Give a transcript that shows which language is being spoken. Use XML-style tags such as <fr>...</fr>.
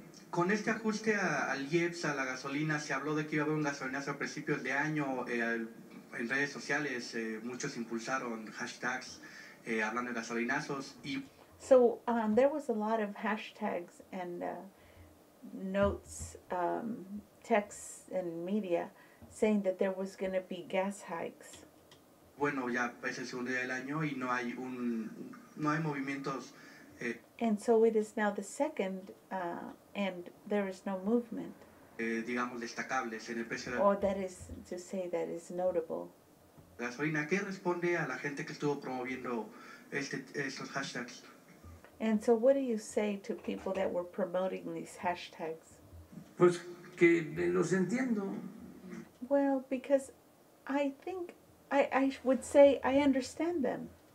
<es>Con este ajuste al IEPS, a la gasolina, se habló de que iba a haber un gasolinazo a principios de año. En redes sociales, muchos impulsaron hashtags hablando de gasolinazos. Y</es> <en>so, there was a lot of hashtags and notes, texts and media saying that there was going to be gas hikes.</en> <es>Bueno, ya es el segundo día del año y no hay movimientos.</es> <en>And so it is now the second, and there is no movement.</en> <es>Digamos destacables en el precio.</es> <en>Or that is to say that is notable.</en> <es>Gasolina, ¿qué responde a la gente que estuvo promoviendo estos hashtags?</es> <en>And so what do you say to people that were promoting these hashtags?</en> <es>Pues que los entiendo.</es> <en>Well, because I think I would say I understand them.</en>